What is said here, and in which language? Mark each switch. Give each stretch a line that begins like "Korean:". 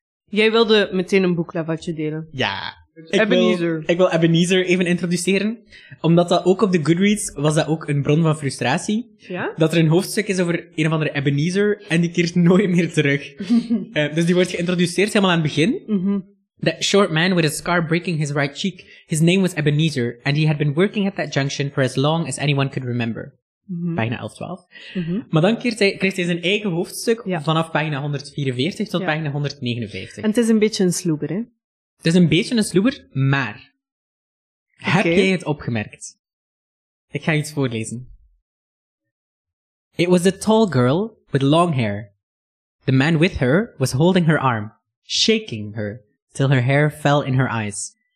Dutch: Jij wilde meteen een boeklavatje delen. Ja. Ebenezer. Ik wil Ebenezer even introduceren. Omdat dat ook op de Goodreads was dat ook een bron van frustratie. Ja? Dat er een hoofdstuk is over een of andere Ebenezer en die keert nooit meer terug. Dus die wordt geïntroduceerd helemaal aan het begin. Mm-hmm.
English: That short man with a scar breaking his right cheek, his name was Ebenezer and he had been working at that junction for as long as anyone could remember. Mm-hmm.
Dutch: Pagina 11-12. Mm-hmm. Maar dan kreeg hij zijn eigen hoofdstuk vanaf pagina 144 tot pagina 159. En het is een beetje een sloeber, hè? Het is een beetje een sloeber, maar heb jij het opgemerkt? Ik ga iets voorlezen.
English: It was a tall girl with long hair. The man with her was holding her arm, shaking her till her hair fell in her eyes.